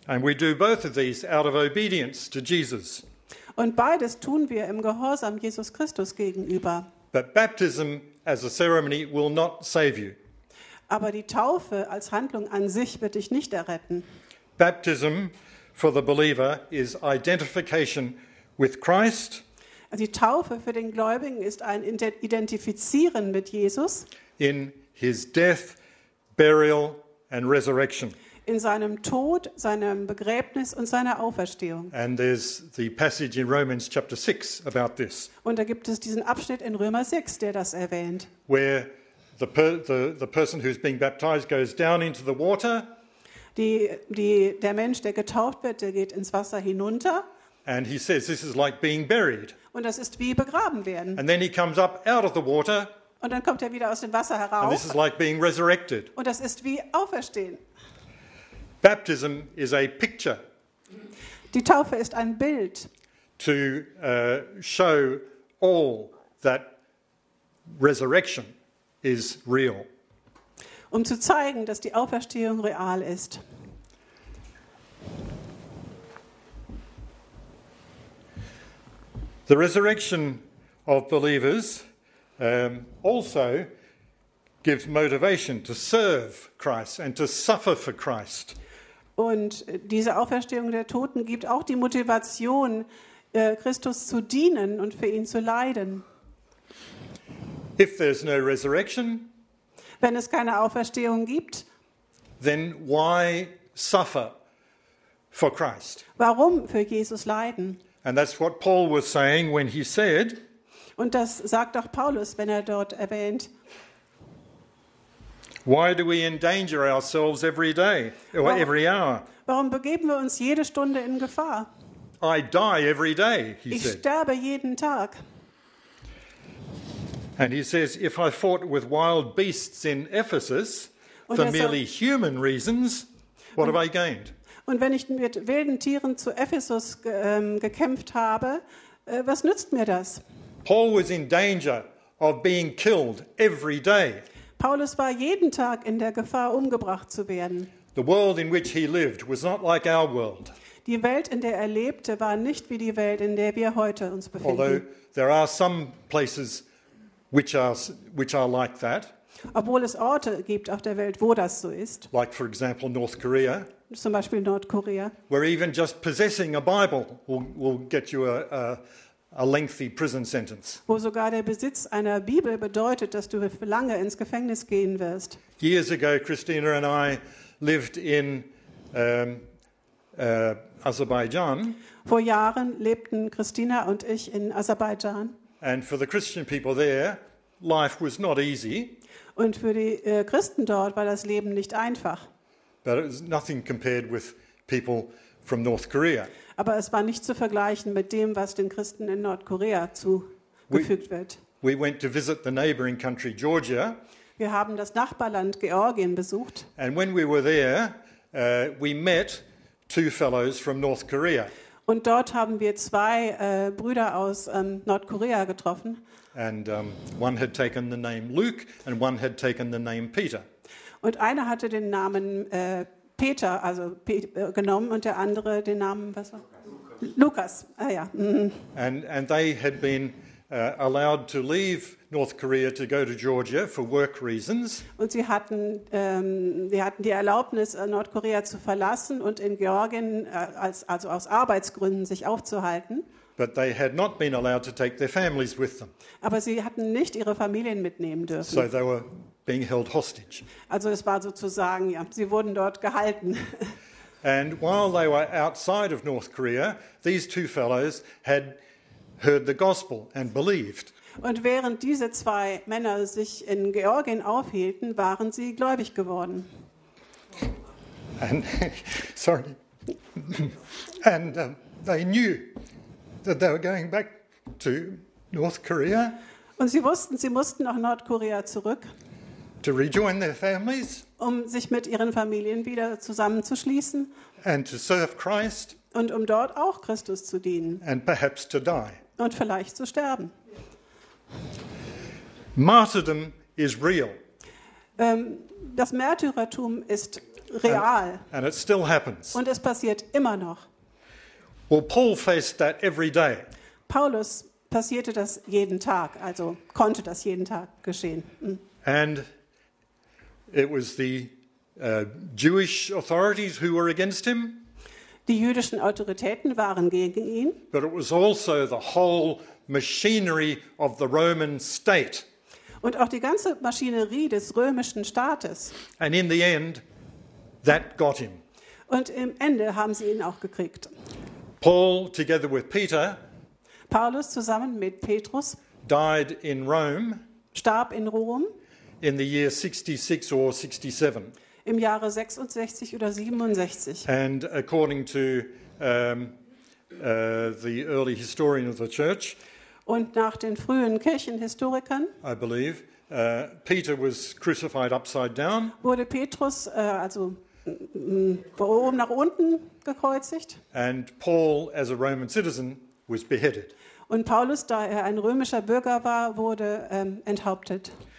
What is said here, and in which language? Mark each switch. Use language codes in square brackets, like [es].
[en] And we do both of these out of obedience to Jesus. [de] Und beides tun wir im Gehorsam Jesus Christus gegenüber. [en] But baptism as a ceremony will not save you. [de] Aber die Taufe als Handlung an sich wird dich nicht erretten. [en] Baptism for the believer is identification with Christ. [de] Die Taufe für den Gläubigen ist ein Identifizieren mit Jesus. [en] In his death, burial and resurrection. [de] In seinem Tod, seinem Begräbnis und seiner Auferstehung. [en] And there's the passage in Romans chapter 6 about this. [de] Und da gibt es diesen Abschnitt in Römer 6, der das erwähnt. [en] Where the person who's being baptized goes down into the water. [de] Der Mensch, der getauft wird, der geht ins Wasser hinunter. [en] And he says this is like being buried. [de] Und das ist wie begraben werden. [en] And then he comes up out of the water. [de] Und dann kommt er wieder aus dem Wasser heraus. [en] And this is like being resurrected. [de] Und das ist wie auferstehen. [en] Baptism is a picture. [de] Die Taufe ist ein Bild. [en] To show all that resurrection is real. [de] Um zu zeigen, dass die Auferstehung real ist. [en] The resurrection of believers also gives motivation to serve Christ and to suffer for Christ. [de] Und diese Auferstehung der Toten gibt auch die Motivation, Christus zu dienen und für ihn zu leiden. [en] If there's no resurrection, [de] wenn es keine Auferstehung gibt, [en] then why suffer for Christ? [de] Warum für Jesus leiden? [en] And that's what Paul was saying when he said. [de] Und das sagt auch Paulus, wenn er dort erwähnt. [en] Why do we endanger ourselves every day or every hour? [de] Warum begeben wir uns jede Stunde in Gefahr? [en] I die every day, he [de] ich [en] said. [de] Ich sterbe jeden Tag. [en] And he says, if I fought with wild beasts in Ephesus for merely human reasons, what have I gained? [de] Und wenn ich mit wilden Tieren zu Ephesus gekämpft habe, was nützt mir das? [en] Paul was in danger of being killed every day. [de] Paulus war jeden Tag in der Gefahr, umgebracht zu werden. [en] The world in which he lived was not like our world. [de] Die Welt, in der er lebte, war nicht wie die Welt, in der wir heute uns befinden. [en] Although there are some places which are like that. [de] Obwohl es Orte gibt auf der Welt, wo das so ist. [en] Like for example North Korea. [de] Zum Beispiel Nordkorea. [en] Where even just possessing a Bible will get you a lengthy prison sentence. [de] Wo sogar der Besitz einer Bibel bedeutet, dass du lange ins Gefängnis gehen wirst. [en] Years ago, Christina and I lived in Aserbaidschan. [de] Vor Jahren lebten Christina und ich in Aserbaidschan. [en] And for the Christian people there, life was not easy. [de] Und für die Christen dort war das Leben nicht einfach. [en] But it was nothing compared with people from North Korea. [de] Aber es war nicht zu vergleichen mit dem, was den Christen in Nordkorea zugefügt wird. [en] We went to visit the neighboring country Georgia. [de] Wir haben das Nachbarland Georgien besucht. [en] And when we were there, we met two fellows from North Korea. [de] Und dort haben wir zwei Brüder aus Nordkorea getroffen. [en] And one had taken the name Luke and one had taken the name Peter. [de] Und einer hatte den Namen Peter, also genommen, und der andere den Namen, was war? Lukas. Ah ja. [en] And they had been allowed to leave North Korea to go to Georgia for work reasons. [de] Und sie hatten die Erlaubnis, Nordkorea zu verlassen und in Georgien also aus Arbeitsgründen sich aufzuhalten. [en] But they had not been allowed to take their families with them. [de] Aber sie hatten nicht ihre Familien mitnehmen dürfen. [en] So they were being held hostage. [de] Also es war sozusagen, ja, sie wurden dort gehalten. [en] And while they were outside of North Korea, these two fellows had heard the gospel and believed. [de] Und während diese zwei Männer sich in Georgien aufhielten, waren sie gläubig geworden. [en] And, sorry. And they knew that they were going back to North Korea. [de] Und sie wussten, sie mussten nach Nordkorea zurück. [en] To rejoin their families. [de] Um sich mit ihren Familien wieder zusammenzuschließen. [en] And to serve Christ. [de] Und um dort auch Christus zu dienen. [en] And perhaps to die. [de] Und vielleicht zu sterben. [en] Martyrdom is real. [de] Das Märtyrertum ist real. [en] And it still happens. [de] Und es passiert immer noch. [en] Well, Paul faced that every day. [de] Paulus passierte das jeden Tag, also konnte das jeden Tag geschehen. [en] And it was the Jewish authorities who were against him. [de] Die jüdischen Autoritäten waren gegen ihn. [en] But it was also the whole machinery of the Roman state. [de] Und auch die ganze Maschinerie des römischen Staates. [en] And in the end, that got him. [de] Und im Ende haben sie ihn auch gekriegt. [en] Paul, together with Peter, [de] Paulus zusammen mit Petrus, [en] died in Rome, [de] starb in Rom, [en] in the year 66 or 67. [de] Im Jahre 66 oder 67. [en] And according to the early historian of the church, [de] und nach den frühen Kirchenhistorikern, [en] I believe, Peter was crucified upside down. [de] Wurde Petrus von oben nach unten gekreuzigt. [en] And Paul, as a Roman citizen, was beheaded. [de] Und Paulus, da er ein römischer Bürger war, wurde enthauptet.